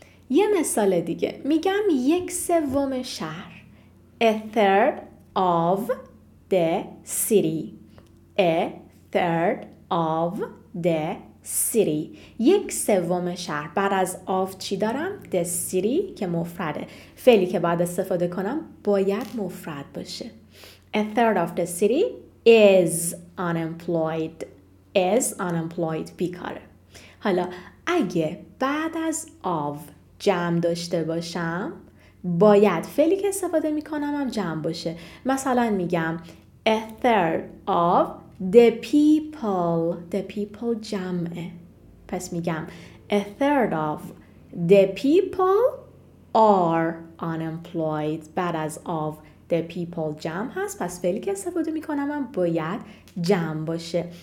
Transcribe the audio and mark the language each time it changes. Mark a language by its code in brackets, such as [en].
[fa] یه مثال دیگه میگم یک سوم شهر، [en] a third of the city، a third of the city، [fa] یک سوم شهر. بعد از of چی دارم؟ [en] the city [fa] که مفرده، فعلی که بعد استفاده کنم باید مفرد باشه. [en] a third of the city is unemployed، is unemployed [fa] بیکاره. حالا اگه بعد از of جمع داشته باشم باید فعلی که استفاده میکنم هم جمع باشه. مثلا میگم [en] a third of the people، the people [fa] جمعه، پس میگم [en] a third of the people are unemployed، [fa] بعد از [en] of the people [fa] جمع هست، پس فعلی که استفاده میکنم هم باید جمع باشه.